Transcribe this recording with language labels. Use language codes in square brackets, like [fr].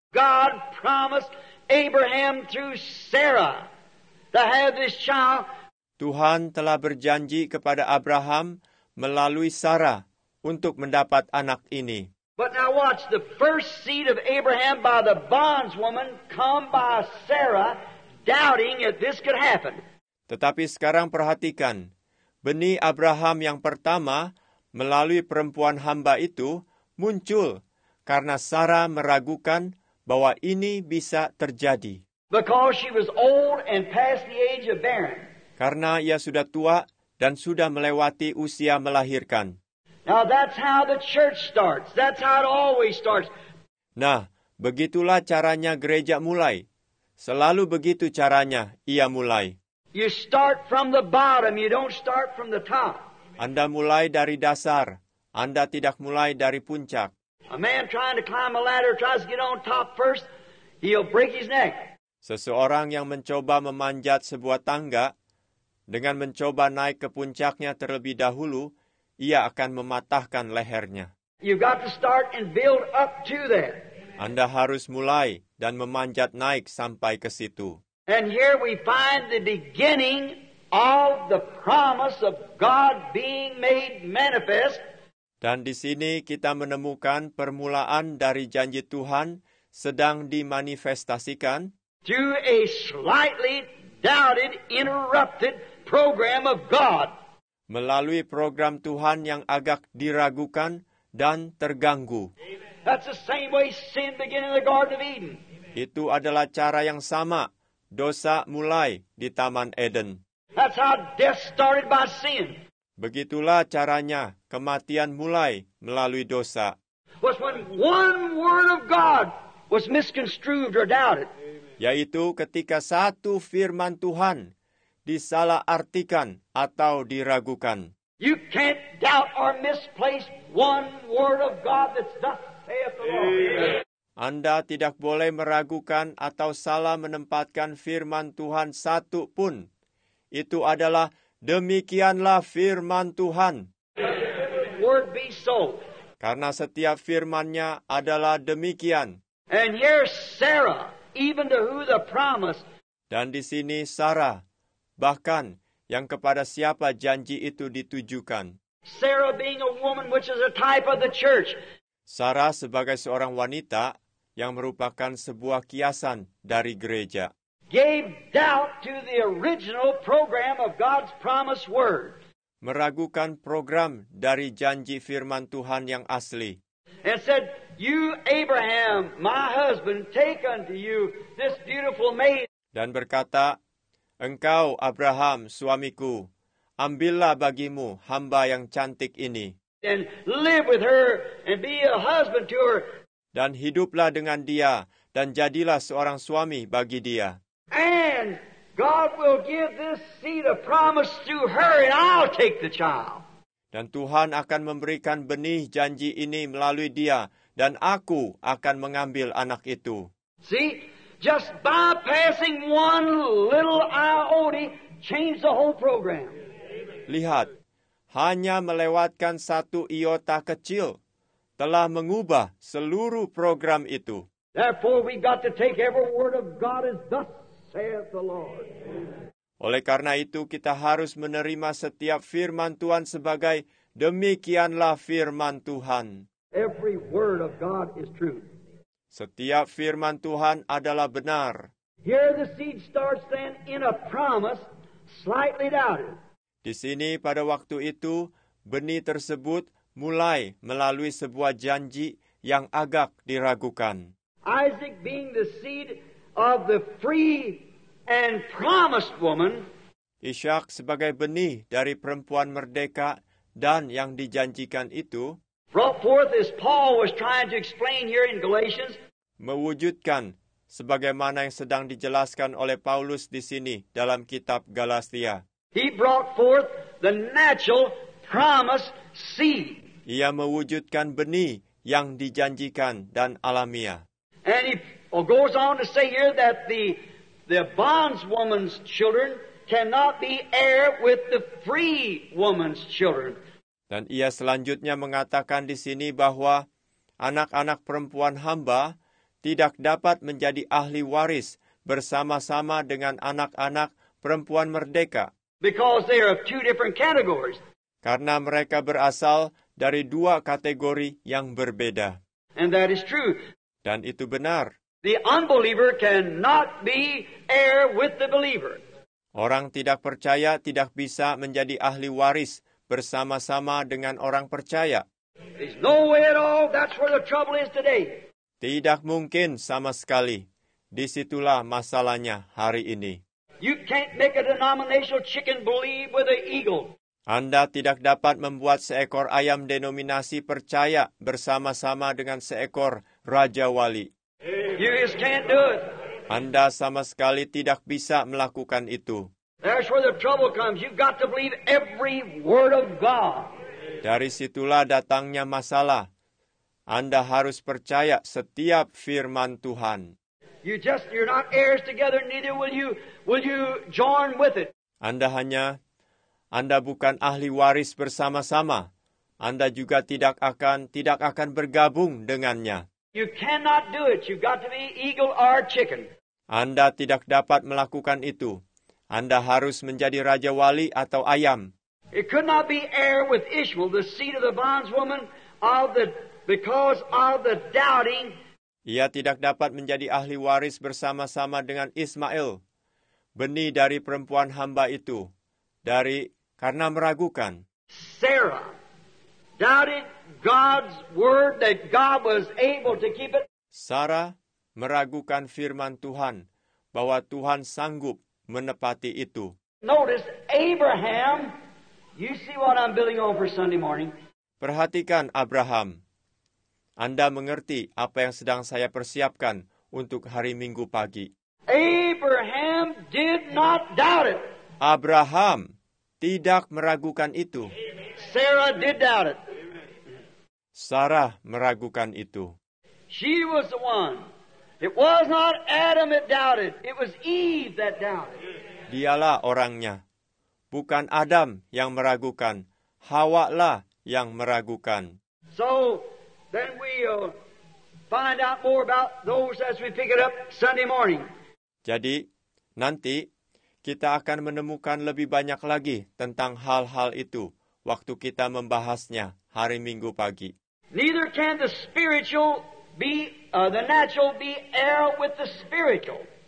[en] God promised Abraham through Sarah to have this child. [id] Tuhan telah berjanji kepada Abraham melalui Sarah untuk mendapat anak ini. [en] But now watch, the first seed of Abraham by the bondswoman come by Sarah doubting if this could happen. [id] Tetapi sekarang perhatikan, benih Abraham yang pertama melalui perempuan hamba itu muncul karena Sarah meragukan bahwa ini bisa terjadi. [en] Because she was old and past the age of barren. [id] Karena ia sudah tua dan sudah melewati usia melahirkan. [en] Now that's how the church starts. That's how it always starts. [id] Nah, begitulah caranya gereja mulai. Selalu begitu caranya ia mulai. [en] You start from the bottom, you don't start from the top. [id] Anda mulai dari dasar. Anda tidak mulai dari puncak. [en] A man trying to climb a ladder tries to get on top first, he'll break his neck. [id] Seseorang yang mencoba memanjat sebuah tangga dengan mencoba naik ke puncaknya terlebih dahulu, ia akan mematahkan lehernya. [en] You've got to start and build up to that. [id] Anda harus mulai dan memanjat naik sampai ke situ. [en] And here we find the beginning of the promise of God being made manifest. [id] Dan di sini kita menemukan permulaan dari janji Tuhan sedang dimanifestasikan. [en] Through a slightly doubted, interrupted program of God. [id] Melalui program Tuhan yang agak diragukan dan terganggu. [en] That's the same way sin began in the Garden of Eden. [id] Itu adalah cara yang sama dosa mulai di Taman Eden. [en] That's how death started by sin. [id] Begitulah caranya kematian mulai melalui dosa. [en] Was when one word of God was misconstrued or doubted. [id] Yaitu ketika satu firman Tuhan disalahartikan atau diragukan. [en] You can't doubt or misplace one word of God that's thus saith the Lord. [id] Anda tidak boleh meragukan atau salah menempatkan firman Tuhan satu pun. Itu adalah demikianlah firman Tuhan. [en] Word be so. [id] Karena setiap firman-Nya adalah demikian. [en] And here Sarah, even to who the promise. [id] Dan di sini Sarah, bahkan yang kepada siapa janji itu ditujukan. [en] Sarah being a woman which is a type of the church. [id] Sarah sebagai seorang wanita yang merupakan sebuah kiasan dari gereja. [en] Gave doubt to the original program of God's promise word. [id] Meragukan program dari janji firman Tuhan yang asli. [en] And said, "You Abraham, my husband, take unto you this beautiful maid." [id] Dan berkata, "Engkau Abraham, suamiku, ambillah bagimu hamba yang cantik ini." [en] And live with her and be a husband to her. [id] Dan hiduplah dengan dia dan jadilah seorang suami bagi dia. [en] And God will give this seed of promise to her and I'll take the child. [id] Dan Tuhan akan memberikan benih janji ini melalui dia dan aku akan mengambil anak itu. [en] See, just bypassing one little iota changed the whole program. [id] Lihat, hanya melewatkan satu iota kecil telah mengubah seluruh program itu. [en] Therefore we got to take every word of God as thus saith the Lord. [id] Oleh karena itu kita harus menerima setiap firman Tuhan sebagai demikianlah firman Tuhan. [en] Every word of God is true. [id] Setiap firman Tuhan adalah benar. [en] Here the seed starts then in a promise slightly doubted. [id] Di sini pada waktu itu benih tersebut mulai melalui sebuah janji yang agak diragukan. [en] Isaac being the seed of the free and promised woman. [id] Ishak sebagai benih dari perempuan merdeka dan yang dijanjikan itu. [en] Brought forth as Paul was trying to explain here in Galatians. [id] Mewujudkan sebagaimana yang sedang dijelaskan oleh Paulus di sini dalam kitab Galatia. [en] He brought forth the natural promised seed. [id] Ia mewujudkan benih yang dijanjikan dan alamiah. [en] And he goes on to say here that the bondswoman's children cannot be heir with the free woman's children. [id] Dan ia selanjutnya mengatakan di sini bahwa anak-anak perempuan hamba tidak dapat menjadi ahli waris bersama-sama dengan anak-anak perempuan merdeka. [en] Because they are of two different categories. [id] Karena mereka berasal dari dua kategori yang berbeda. [en] And that is true. [id] Dan itu benar. [en] The unbeliever cannot be heir with the believer. [id] Orang tidak percaya tidak bisa menjadi ahli waris bersama-sama dengan orang percaya. [en] There's no way at all. That's where the trouble is today. [id] Tidak mungkin sama sekali. Disitulah masalahnya hari ini. [en] You can't make a denominational chicken believe with an eagle. [id] Anda tidak dapat membuat seekor ayam denominasi percaya bersama-sama dengan seekor raja wali. [en] You just can't do it. [id] Anda sama sekali tidak bisa melakukan itu. [en] That's where the trouble comes. You've got to believe every word of God. [id] Dari situlah datangnya masalah. Anda harus percaya setiap firman Tuhan. [en] You're not heirs together, neither will you join with it. [id] Anda bukan ahli waris bersama-sama. Anda juga tidak akan bergabung dengannya. [en] You cannot do it. You've got to be eagle or chicken. [id] Anda tidak dapat melakukan itu. Anda harus menjadi raja wali atau ayam. [en] It could not be heir with Ishmael, the seed of the bondswoman, because of the doubting. [id] Ia tidak dapat menjadi ahli waris bersama-sama dengan Ismail, benih dari perempuan hamba itu, karena meragukan. [en] Sarah doubted God's word that God was able to keep it. [id] Sarah meragukan firman Tuhan bahwa Tuhan sanggup menepati itu. [en] Notice Abraham, you see what I'm building on for Sunday morning. [id] Perhatikan Abraham. Anda mengerti apa yang sedang saya persiapkan untuk hari Minggu pagi. [en] Abraham did not doubt it. [id] Abraham tidak meragukan itu. [en] Sarah did doubt it. [id] Sarah meragukan itu. [en] She was the one. It was not Adam that doubted. It was Eve that doubted. [id] Dialah orangnya. Bukan Adam yang meragukan. Hawa lah yang meragukan. [en] So, then we'll find out more about those as we pick it up Sunday morning. [id] Jadi, nanti kita akan menemukan lebih banyak lagi tentang hal-hal itu waktu kita membahasnya hari Minggu pagi. [en] Neither can the spiritual be the natural be heir with the spiritual.